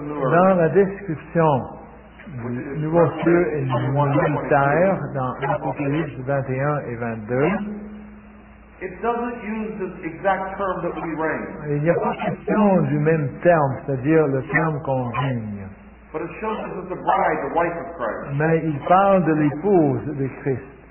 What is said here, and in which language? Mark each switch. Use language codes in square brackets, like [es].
[fr] Dans la description du nouveau ciel et du nouveau terre, dans Apocalypse 21 et 22, [en] it doesn't use the exact term that we reign. [fr] Il n'y a pas question du même terme, c'est-à-dire le terme qu'on règne. [en] But it shows us as the bride, the wife of Christ. [fr] Mais il parle de l'épouse de Christ.